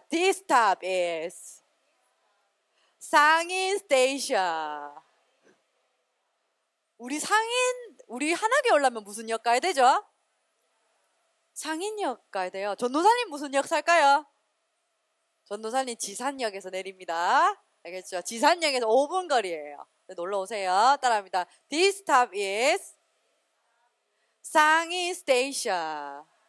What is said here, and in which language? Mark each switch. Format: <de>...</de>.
<en>This stop is 상인 스테이션.</en> <ko>우리 상인, 우리 한학에 올라면 무슨 역 가야 되죠? 상인역 가야 돼요. 전도사님 무슨 역 살까요? 전도사님 지산역에서 내립니다. 알겠죠? 지산역에서 5분 거리예요. 놀러 오세요. 따라합니다.</ko> <en>This stop is 상인 스테이션.</en>